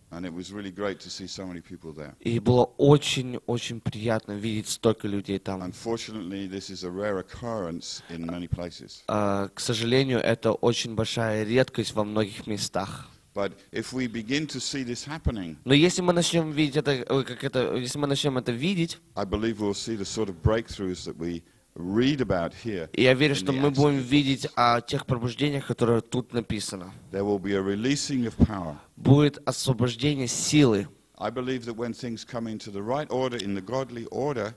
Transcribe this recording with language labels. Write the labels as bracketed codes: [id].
[en] And it was really great to see so many people there. [ru] И было очень-очень приятно видеть столько людей там. [en] Unfortunately, this is a rare occurrence in many places. [ru] К сожалению, это очень большая редкость во многих местах. [en] But if we begin to see this happening, [ru] но если мы начнем видеть это, как это, если мы начнем это видеть, [en] I believe we'll see the sort of breakthroughs that we read about here. [ru] Я верю, что мы будем видеть о тех пробуждениях, которые тут написано. [en] There will be a releasing of power. [ru] Будет освобождение силы. [en] I believe that when things come into the right order, in the godly order,